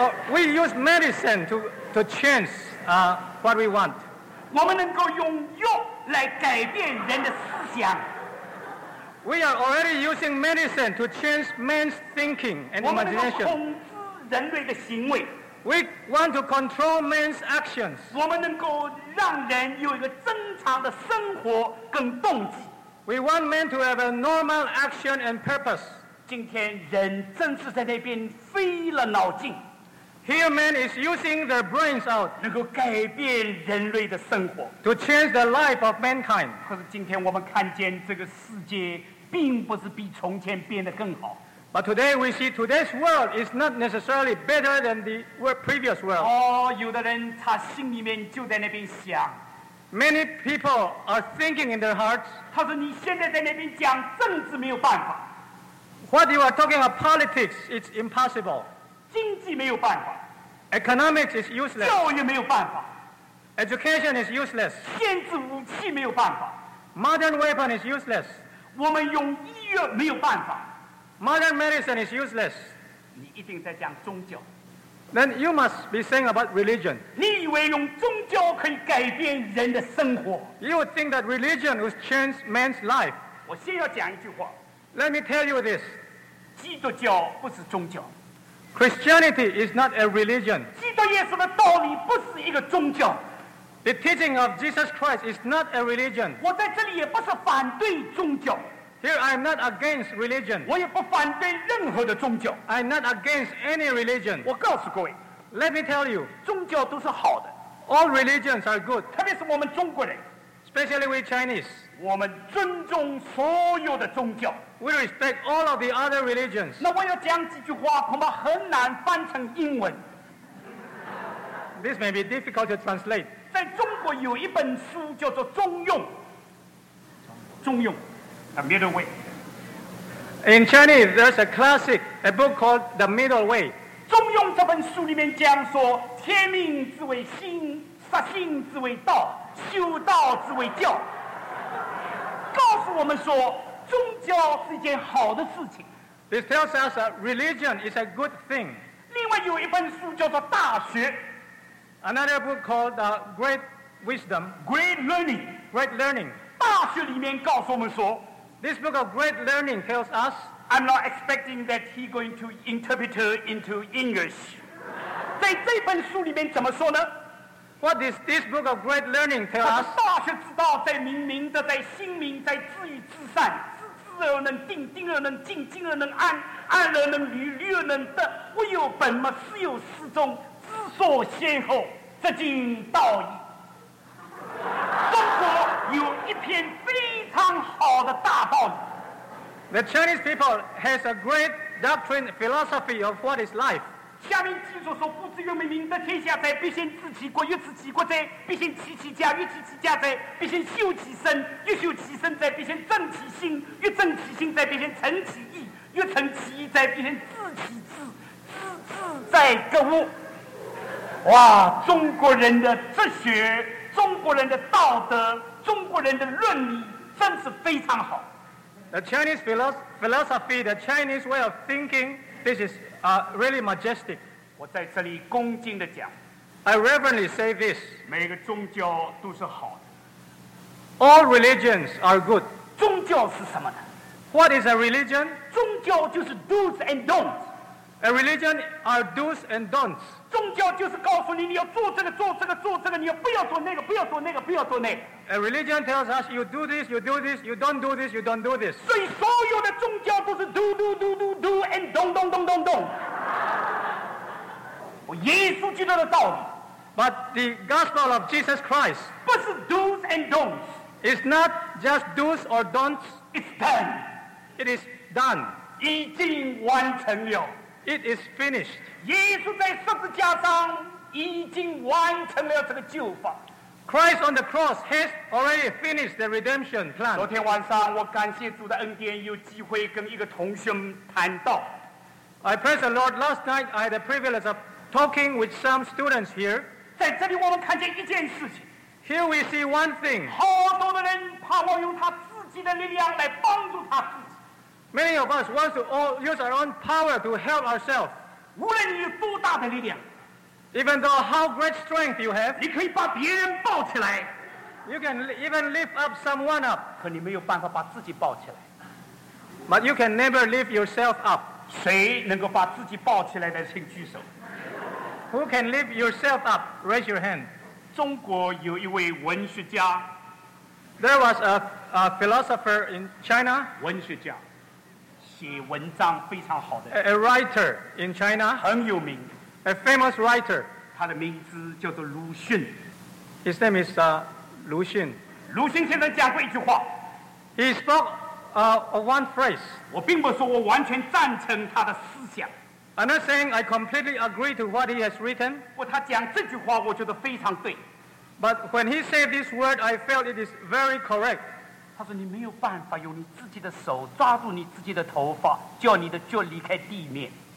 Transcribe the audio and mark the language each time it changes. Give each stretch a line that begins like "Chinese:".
English: we use medicine to change what we want.
Chinese: 我们能够用药来改变人的思想。
English: We are already using medicine to change man's thinking and imagination.
Chinese: 我们能够控制人类的行为。
English: We want to control man's actions.
Chinese: 我们能够让人有一个正常的生活跟动机。
English: We want men to have a normal action and purpose.
Chinese: 今天人正是在那边飞了脑筋。
English: Here man is using their brains out.
Chinese: 能够改变人类的生活。
English: To change the life of mankind.
Chinese: 可是今天我们看见这个世界并不是比从前变得更好。
English: But today we see today's world is not necessarily better than the previous world.
Chinese: 哦，有的人他心里面就在那边想。
English: Many people are thinking in their hearts.
Chinese: 他说你现在在那边讲政治没有办法。
English: What you are talking about politics, it's impossible.
Chinese: 经济没有办法。
English: Economics is useless.
Chinese: 教育没有办法。
English: Education is useless.
Chinese: 限制武器没有办法。
English: Modern weapon is useless.
Chinese: 我们用医药没有办法。
English: Modern medicine is useless.
Chinese: 你一定在讲宗教。
English: Then you must be saying about religion.
Chinese: 你以为用宗教可以改变人的生活。
English: You would think that religion would change man's life.
Chinese: 我先要讲一句话。
English: Let me tell you this.
Chinese: 基督教不是宗教。
English: Christianity is not a religion.
Chinese: 基督耶稣的道理不是一个宗教。
English: The teaching of Jesus Christ is not a religion.
Chinese: 我在这里也不是反对宗教。
English: Here I am not against religion.
Chinese: 我也不反对任何的宗教。
English: I am not against any religion.
Chinese: 我告诉各位。
English: Let me tell you.
Chinese: 宗教都是好的。
English: All religions are good.
Chinese: 特别是我们中国人。
English: Especially we Chinese.
Chinese: 我们尊重所有的宗教。
English: We respect all of the other religions.
Chinese: 那我要讲几句话恐怕很难翻成英文。
English: This may be difficult to translate.
Chinese: 在中国有一本书叫做中庸。
English: 中庸。The Middle Way. In Chinese, there's a classic, a book called The Middle Way.
Chinese: 中庸这本书里面讲说，天命之为心，杀心之为道，修道之为教。告诉我们说，宗教是一件好的事情。
English: This tells us that religion is a good thing.
Chinese: 另外有一本书叫做《大学》。
English: Another book called The Great Wisdom. Great Learning. Great Learning.
Chinese: 大学里面告诉我们说，
English: This book of great learning tells us. I'm not expecting that he's going to interpret it into English.
Chinese: 在这本书里面怎么说呢？
English: What does this book of great learning tell us?
Chinese: 大学之道，在明明的，在心明，在自与自善，自知而能定，定而能静，静而能安，安而能虑，虑而能得。唯有本末，是有始终，知所先后，则近道矣。中国有一篇非常好的大道理。
English: The Chinese people has a great doctrine philosophy of what is life.
Chinese: 下面记住说，不知愿为民得天下哉，必先治其国，欲治其国哉，必先齐其家，欲齐其家哉，必先修其身，欲修其身哉，必先正其心，欲正其心哉，必先诚其意，欲诚其意哉，必先治其志，哉格物。哇，中国人的哲学，中国人的道德，中国人的伦理，真是非常好。
English: The Chinese philosophy, the Chinese way of thinking, this is really majestic.
Chinese: 我在这里恭敬地讲。
English: I reverently say this.
Chinese: 每个宗教都是好的。
English: All religions are good.
Chinese: 宗教是什么呢？
English: What is a religion?
Chinese: 宗教就是
English: do's and don'ts. A religion are do's and don'ts.
Chinese: 宗教就是告诉你，你要做这个，做这个，做这个，你要不要做那个，不要做那个，不要做那个。
English: A religion tells us you do this, you do this, you don't do this, you don't do this.
Chinese: 所以所有的宗教都是
English: do do do do do and don don don don don.
Chinese: 耶稣基督的道理。
English: But the gospel of Jesus Christ
Chinese: 不是
English: do's and don'ts. It's not just do's or don'ts. It's done. It is done.
Chinese: 已经完成了。
English: It is finished.
Chinese: 耶稣在十字架上已经完成了这个救法。
English: Christ on the cross has already finished the redemption plan.
Chinese: 昨天晚上我感谢主的恩典，有机会跟一个同学谈到。
English: I praise the Lord. Last night I had the privilege of talking with some students here.
Chinese: 在这里我们看见一件事情。
English: Here we see one thing.
Chinese: 好多的人盼望用他自己的力量来帮助他自己。
English: Many of us want to use our own power to help ourselves.
Chinese: 无论你有多大的力量。
English: Even though how great strength you have,
Chinese: 你可以把别人抱起来。
English: You can even lift up someone up.
Chinese: 可你没有办法把自己抱起来。
English: But you can never lift yourself up.
Chinese: 谁能够把自己抱起来的，请举手。
English: Who can lift yourself up? Raise your hand.
Chinese: 中国有一位文学家。
English: There was a philosopher in China.
Chinese: 文学家，写文章非常好的。
English: A writer in China.
Chinese: 很有名。
English: A famous writer.
Chinese: 他的名字叫做鲁迅。
English: His name is 鲁迅。
Chinese: 鲁迅先生讲过一句话。
English: He spoke one phrase.
Chinese: 我并不说我完全赞成他的思想。
English: I'm not saying I completely agree to what he has written.
Chinese: 不，他讲这句话我觉得非常对。
English: But when he said this word, I felt it is very correct.
Chinese: 他说你没有办法用你自己的手抓住你自己的头发，叫你的脚离开地面。